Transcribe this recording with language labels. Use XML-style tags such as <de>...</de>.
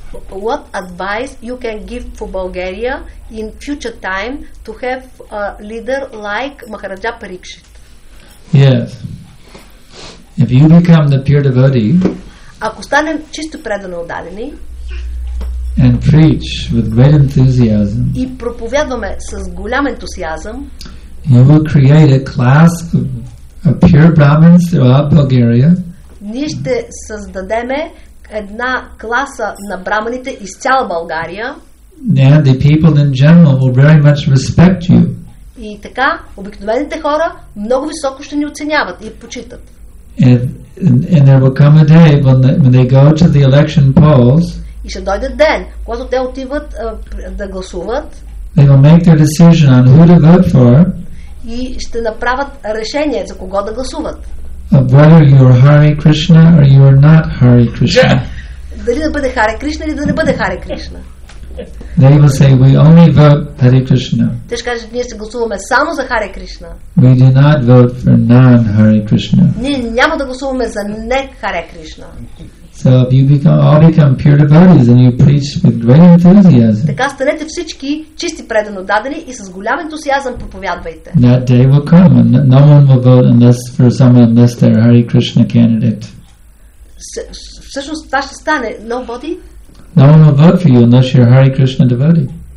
<en>What advice you can give for Bulgaria in future time to have a leader like Maharaja Parikshit? Yes. If you become the pure devotee,</en> <bg>ако станем чисто предано отдадени,</bg> <en>and preach with great enthusiasm,</en> <bg>и проповядваме с голям ентусиазъм,</bg> <en>you will create a class of pure Brahmins throughout Bulgaria.</en> <bg>Ние ще създадеме една класа на браманите из цяла България.</bg> <en>And the people in general will very much respect you.</en> <bg>И така, обикновените хора много високо ще ни оценяват и почитат.</bg> <en>And there will come a day when they go to the election polls.</en> <bg>И ще дойде ден, когато те отиват да гласуват.</bg> <en>They will make their decision on who to vote for.</en> <bg>И ще направят решение за кого да гласуват.</bg> <en>Whether you are Hare Krishna or you are not Hare Krishna.</en> <bg>Дали да бъде Hare Krishna или да не бъде Hare Krishna.</bg> <en>They will say we only vote Hare Krishna.</en> <bg>Те ще кажат, ние се гласуваме само за Hare Krishna.</bg> <en>We do not vote for non Hare Krishna.</en> <bg>Ние няма да гласуваме за не Hare Krishna.</bg> <en>So if you become, all become pure devotees and you preach with great enthusiasm.</en> <bg>Така станете всички чисти предано дадени и с голям ентусиазъм проповядвайте.</bg> <en>That day will come and no one will vote unless for someone unless they're Hare Krishna candidate.</en> <bg>Всъщност това ще стане.</bg> <en>Nobody. No one will vote for you unless you're Hare Krishna devotee.</en>